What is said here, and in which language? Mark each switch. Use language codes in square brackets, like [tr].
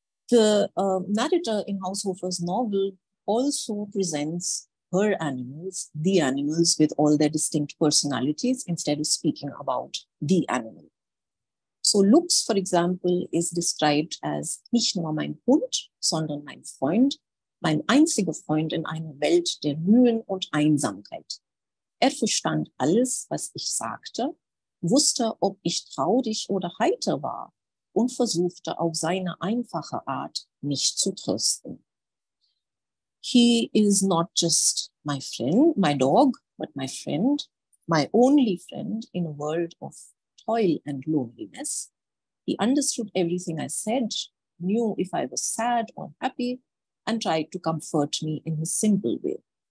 [en] The narrator in Haushofer's novel also presents her animals, the animals, with all their distinct personalities instead of speaking about the animal. So Lux, for example, is described as [de] nicht nur mein Hund, sondern mein Freund, mein einziger Freund in einer Welt der Mühen und Einsamkeit. Verstand alles, was ich sagte, wusste, ob ich traurig oder heiter war, und versuchte auf seine einfache Art mich zu trösten. [en] He is not just my friend, my dog, but my friend, my only friend in a world of toil and loneliness. He understood everything I said, knew if I was sad or happy, and tried to comfort me in his simple way.